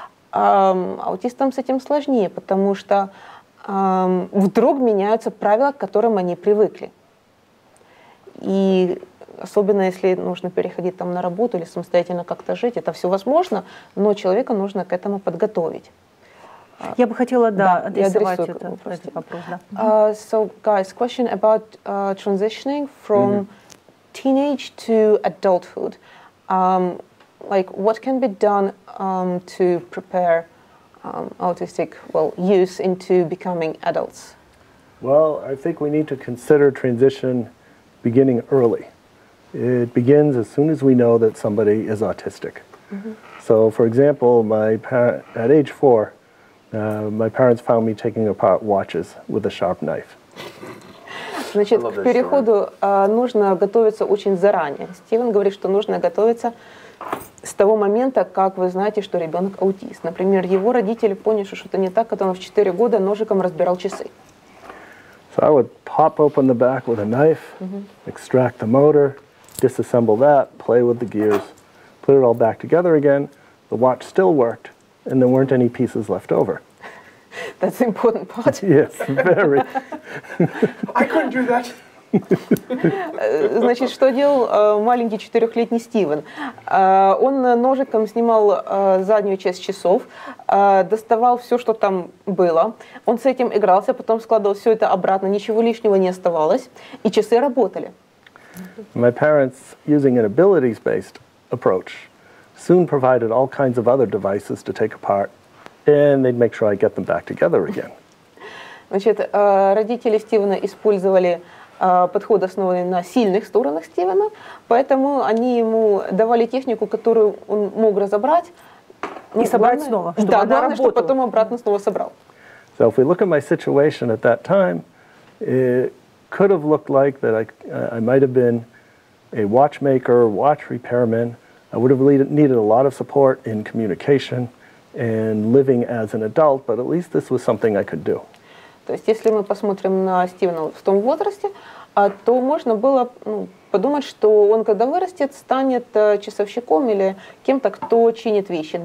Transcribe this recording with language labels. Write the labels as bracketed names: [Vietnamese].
[Russian] Аутистам с этим сложнее, потому что вдруг меняются правила, к которым они привыкли. И особенно если нужно переходить там на работу или самостоятельно как-то жить, это все возможно, но человека нужно к этому подготовить. Я бы хотела, да, адресовать этот вопрос. Да. [English] So, guys, question about transitioning from teenage to adulthood. Like, what can be done to prepare autistic, well, youth into becoming adults? Well, I think we need to consider transition beginning early. It begins as soon as we know that somebody is autistic. Mm-hmm. So, for example, at age four, my parents found me taking apart watches with a sharp knife. [Russian] Значит, к переходу нужно готовиться очень заранее. Стивен говорит, что нужно готовиться с того момента, как вы знаете, что ребенок аутист. Например, его родители поняли, что что-то не так, когда он в 4 года ножиком разбирал часы. [English] So I would pop open the back with a knife, extract the motor, disassemble that, play with the gears, put it all back together again. The watch still worked, and there weren't any pieces left over. That's the important part. Yes, very. I couldn't do that. [Russian] Значит, что делал маленький 4-летний Стивен? Он ножиком снимал заднюю часть часов, доставал все, что там было. Он с этим игрался, потом складывал все это обратно, ничего лишнего не оставалось, и часы работали. [English] My parents, using an abilities-based approach, soon provided all kinds of other devices to take apart, and they'd make sure I get them back together again. [Russian] Значит, родители Стивена использовали подход, основанный на сильных сторонах Стивена, поэтому они ему давали технику, которую он мог разобрать. И собрать снова, чтобы она работала. Да, чтобы потом обратно снова собрал. [English] So if we look at my situation at that time, could have looked like that I might have been a watchmaker, watch repairman. I would have needed a lot of support in communication and living as an adult, but at least this was something I could do. [Russian] То есть, если мы посмотрим на Стивена в том возрасте, то можно было подумать, что он, когда вырастет, станет часовщиком или кем-то, кто чинит вещи.